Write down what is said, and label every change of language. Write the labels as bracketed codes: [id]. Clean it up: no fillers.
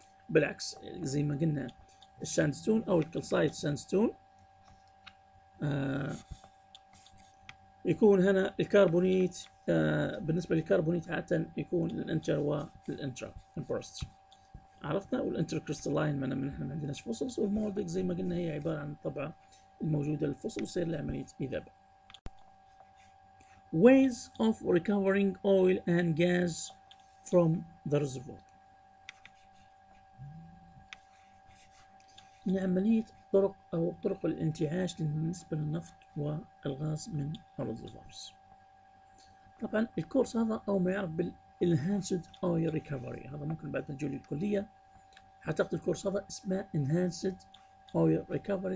[ar] بالعكس زي ما قلنا الساندستون او الكلسايت ساندستون يكون هنا الكربونيت، بالنسبه للكربونيت عاده يكون الانتر والانترا البروستي. عرفنا والانتر كريستالاين معناه ان احنا ما عندناش فوسلس، والمولدك زي ما قلنا هي عباره عن الطبعه الموجوده للفوسل وتصير لها عمليه اذابه. [en] Ways of recovering oil and gas from the reservoir. [ar] من عملية طرق أو طرق الانتعاش بالنسبة للنفط والغاز من الريزرفوارز. طبعا الكورس هذا أو ما يعرف بالـ Enhanced Oil Recovery، هذا ممكن بعد نجول الكلية حتاخذ الكورس هذا اسمه انهانسد اوير ريكفري.